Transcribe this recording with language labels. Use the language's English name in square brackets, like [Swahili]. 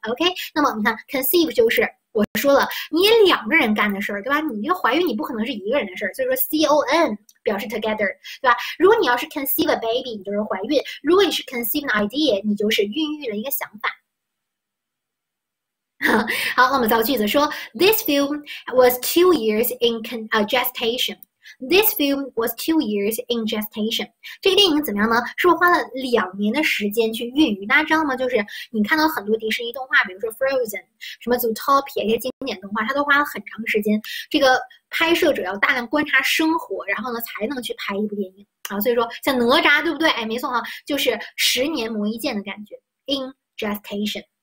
[Chinese] OK，那么你看，conceive 就是我说了，你两个人干的事儿，对吧？你这个怀孕你不可能是一个人的事儿，所以说 con 表示 together，对吧？如果你要是 [English] conceive a baby， [Chinese] 你就是怀孕；如果你是 [English] conceive an idea， [Chinese] 你就是孕育了一个想法。好，那我们造个句子说， [English] This film was 2 years in gestation. This film was 2 years in gestation. [Chinese] 这个电影怎么样呢？是不是花了2年的时间去孕育？大家知道吗？就是你看到很多迪士尼动画，比如说 Frozen，什么 Zootopia 这些经典动画，它都花了很长时间。这个拍摄者要大量观察生活，然后呢才能去拍一部电影啊。所以说像哪吒，对不对？哎，没错哈，就是10年磨1剑的感觉，in gestation。